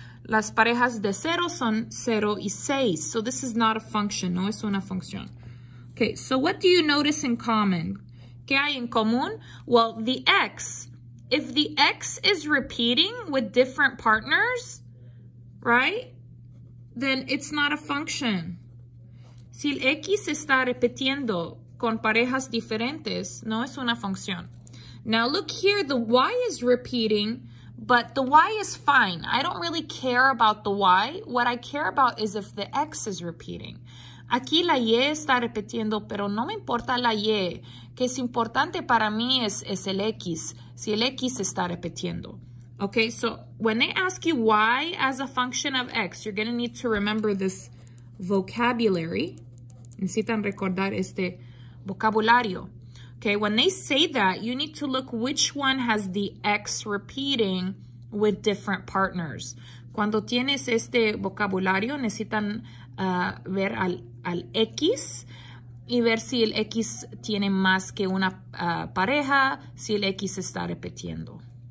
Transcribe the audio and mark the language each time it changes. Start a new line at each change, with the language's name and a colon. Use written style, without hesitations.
Spanish: Las parejas de 0 son 0 y 6.
English: So this is not a function.
Spanish: No es una función.
English: Okay, so what do you notice in common?
Spanish: ¿Qué hay en común?
English: Well, the X. If the X is repeating with different partners, right? Then it's not a function.
Spanish: Si el X está repitiendo con parejas diferentes, no es una función.
English: Now look here, the Y is repeating, but the Y is fine. I don't really care about the Y. What I care about is if the X is repeating.
Spanish: Aquí la Y está repitiendo, pero no me importa la Y. Que es importante para mí es el X, si el X está repitiendo.
English: Okay, so when they ask you Y as a function of X, you're going to need to remember this vocabulary.
Spanish: Necesitan recordar este vocabulario.
English: Okay, when they say that, you need to look which one has the X repeating with different partners.
Spanish: Cuando tienes este vocabulario, necesitan ver al X y ver si el X tiene más que una pareja, si el X está repitiendo.